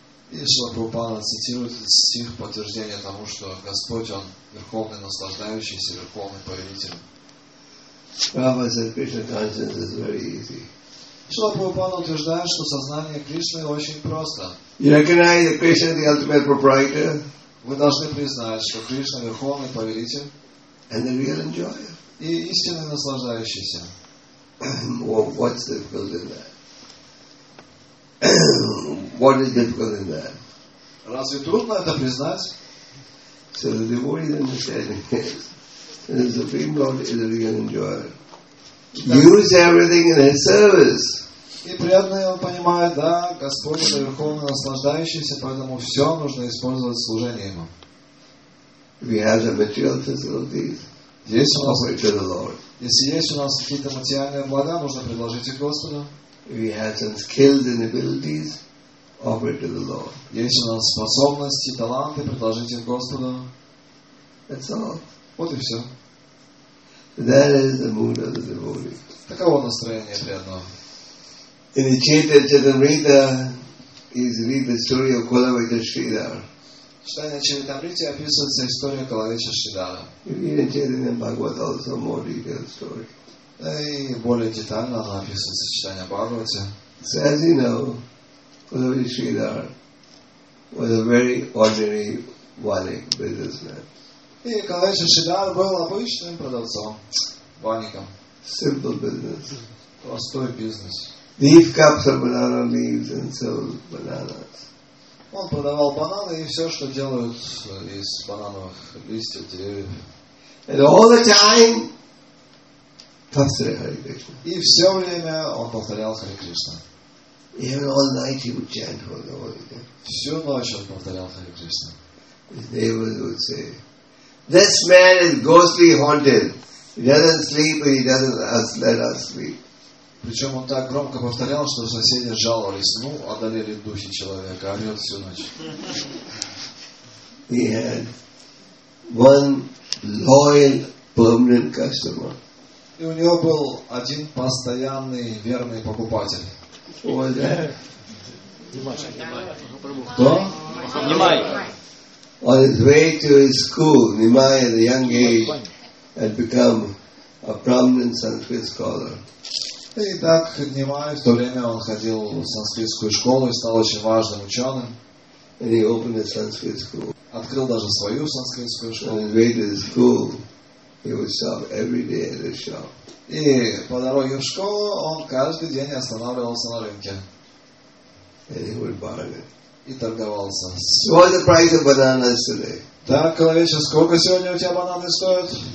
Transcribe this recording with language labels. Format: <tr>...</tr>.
<ru>И Шрила Прабхупада цитирует стих подтверждения тому, что Господь, Он верховный наслаждающийся, верховный повелитель.</ru> <en>Prabhupada said, Krishna consciousness is very easy.</en> <ru>Шрила Прабхупада утверждает, что сознание Кришны очень просто.</ru> <en>You recognize that Krishna is the ultimate proprietor.</en> <ru>Вы должны признать, что Кришна верховный повелитель.</ru> <en>And the real enjoyer.</en> <ru>И истинный наслаждающийся.</ru> <en>Well, what's the difficult in that? What is difficult in that?</en> <ru>Разве трудно это признать?</ru> <en>So the devotee's understanding is that the Supreme Lord is a real enjoyer. Use everything in His service.</en> <ru>И преданный он понимает, да, Господь это верховный наслаждающийся, поэтому все нужно использовать в служении Ему.</ru> <en>We have the material facilities.</en> <ru>Здесь у нас</ru> <en>offer it to the Lord.</en> <ru>Если есть у нас какие-то материальные блага, нужно предложить их Господу.</ru> <en>We have some skills and abilities. Offer it to the Lord.</en> <ru>Есть у нас способности, таланты, предложите их Господу.</ru> <en>That's all.</en> <ru>Вот и все.</ru> <en>That is the mood of the devotee.</en> <ru>Таково настроение преданного.</ru> <en>In the Chaitanya Charitamrita, is read the story of Kulavaita Sridhar.</en> <ru>Читание Чаритамриты описывается история Кулавейта Шридхара.</ru> <en>You read in Chaitanya Bhagavata also a more detailed story.</en> <ru>И более детально она описывается в читании Бхагавате.</ru> <en>So as you know, Kulavaita Sridhar was a very ordinary vanik businessman.</en> <ru>И Кулавейта Шридхар был обычным продавцом, ваником.</ru> <en>Simple business.</en> <ru>Простой бизнес.</ru> <en>Leaf cups of banana leaves and sold bananas.</en> <ru>Он продавал бананы и все, что делают из банановых листьев, деревьев.</ru> <en>And all the time,</en> <ru>повторяя</ru> <en>Харе Кришна.</en> <ru>И все время он повторял Харе Кришна.</ru> <en>Even all night he would chant Харе Кришна.</en> <ru>Всю ночь он повторял Харе Кришна.</ru> <en>His neighbors would say, this man is ghostly haunted. He doesn't sleep and he doesn't let us sleep.</en> <ru>Причем он так громко повторял, что соседи жаловались. Ну, одолели духи человека, орет всю ночь.</ru> <en>He had one loyal permanent customer.</en> <ru>И у него был один постоянный верный покупатель.</ru> <en>Who was that?</en> <ru>Кто?</ru> <en>Nimai. On his way to his school, Nimai at a young age had become a prominent Sanskrit scholar.</en> <ru>И так, Нимай, в то время он ходил в санскритскую школу и стал очень важным ученым.</ru> <en>And he opened a Sanskrit school.</en> <ru>Открыл даже свою санскритскую школу.</ru> <en>And he went to the school. He would stop every day at the shop.</en> <ru>И по дороге в школу он каждый день останавливался на рынке.</ru> <en>And he would bargain.</en> <ru>И торговался.</ru> <en>So what's the price of bananas today?</en> <ru>Так, Коловича, сколько сегодня у тебя бананы стоят?</ru>